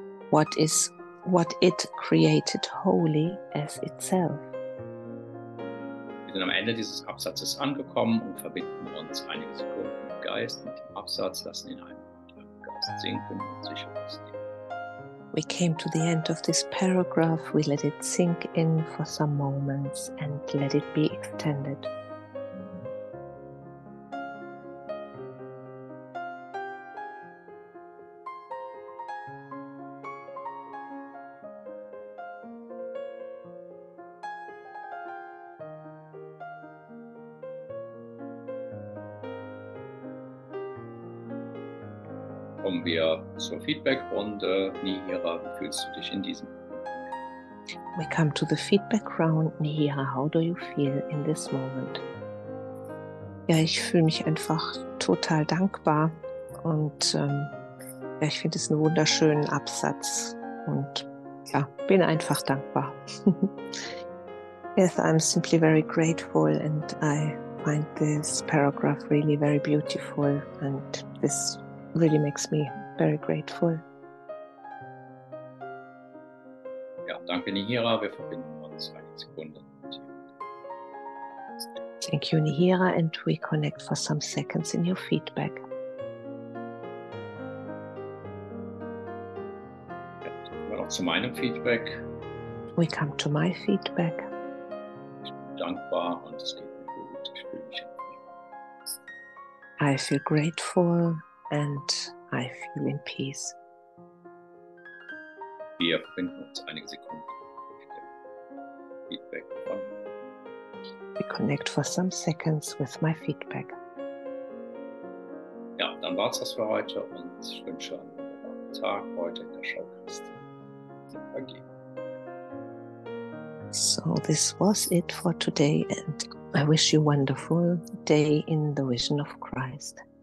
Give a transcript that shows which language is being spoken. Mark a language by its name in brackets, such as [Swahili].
[English] What is what it created wholly as itself. [German] Wir sind am Ende dieses Absatzes angekommen und verbinden uns einige Sekunden im Geist mit dem Absatz, lassen ihn einfach im Geist sinken und sich ausdehnen. [English] We came to the end of this paragraph, we let it sink in for some moments and let it be extended. [German] Kommen wir zur Feedback-Runde. Nihira, wie fühlst du dich in diesem [English] Moment? We come to the feedback round. Nihira, how do you feel in this moment? [German] Ja, ich fühle mich einfach total dankbar und ja, ich finde es einen wunderschönen Absatz und ja, bin einfach dankbar. [English] Yes, I'm simply very grateful and I find this paragraph really very beautiful and this really makes me very grateful. [German] Ja, danke Nihira, wir verbinden uns eine Sekunde. [English] Thank you Nihira and we connect for some seconds in your feedback. [German] Ja, wir noch zu meinem Feedback. [English] We come to my feedback. [German] Ich bin dankbar und es geht mir gut. Ich fühle mich [English] I feel grateful. And I feel in peace. [German] Wir verbinden uns einige Sekunden mit dem Feedback. [English] We connect for some seconds with my feedback. [German] Ja, dann war's das für heute und ich wünsche einen wunderbaren Tag heute in der Schaukiste. [English] So, this was it for today and I wish you a wonderful day in the vision of Christ.